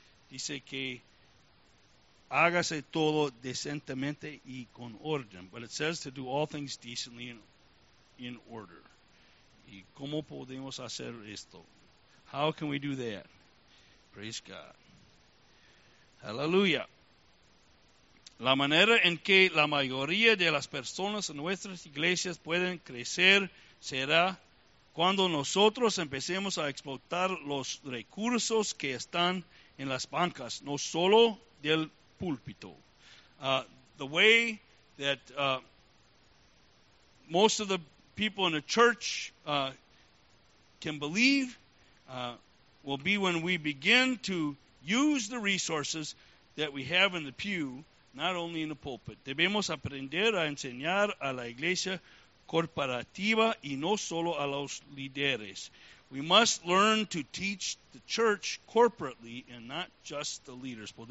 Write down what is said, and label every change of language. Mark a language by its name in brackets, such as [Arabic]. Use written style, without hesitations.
[Spanish] Dice que hágase todo decentemente y con orden. [English] But it says to do all things decently in order. [Spanish] ¿Y cómo podemos hacer esto? [English] How can we do that? Praise God. Hallelujah. [Spanish] La manera en que la mayoría de las personas en nuestras iglesias pueden crecer será cuando nosotros empecemos a explotar los recursos que están en las bancas, no solo del púlpito. [English] The way that most of the people in the church can believe will be when we begin to use the resources that we have in the pew, not only in the pulpit. [Spanish] Debemos aprender a enseñar a la iglesia corporativa y no solo a los líderes. [English] We must learn to teach the church corporately and not just the leaders.